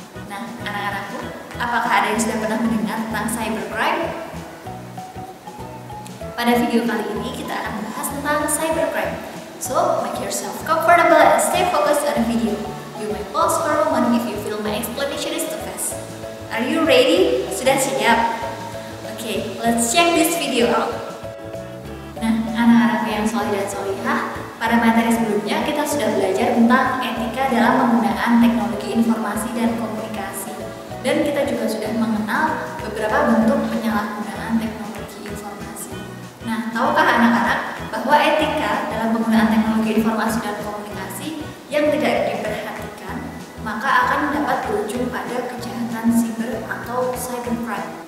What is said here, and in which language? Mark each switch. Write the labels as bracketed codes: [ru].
[id] Nah, anak-anakku, apakah ada yang sudah pernah mendengar tentang cybercrime? Pada video kali ini kita akan membahas tentang cybercrime. [en] So, make yourself comfortable and stay focused on the video. You may pause for a moment if you feel my explanation is too fast. Are you ready? [id] Sudah siap? [en] Okay, let's check this video out. [id] Nah, anak-anakku yang solih dan solihah, pada materi sebelumnya kita sudah belajar tentang etika dalam penggunaan teknologi informasi dan komunikasi. Dan kita juga sudah mengenal beberapa bentuk penyalahgunaan teknologi informasi. Nah, tahukah anak-anak bahwa etika dalam penggunaan teknologi informasi dan komunikasi yang tidak diperhatikan maka akan dapat berujung pada kejahatan siber atau cybercrime.